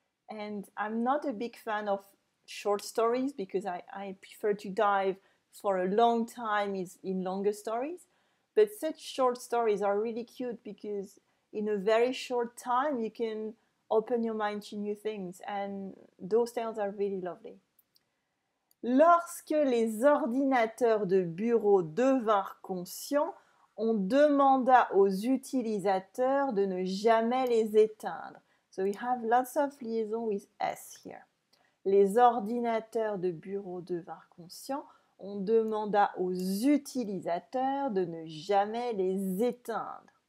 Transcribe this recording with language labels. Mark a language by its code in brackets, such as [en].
[en] And I'm not a big fan of short stories because I prefer to dive for a long time is in longer stories, but such short stories are really cute because in a very short time you can open your mind to new things, and those tales are really lovely. [fr] Lorsque les ordinateurs de bureau devinrent conscients, on demanda aux utilisateurs de ne jamais les éteindre. [en] So we have lots of liaison with S here. [fr] Les ordinateurs de bureau devinrent conscients. On demanda aux utilisateurs de ne jamais les éteindre.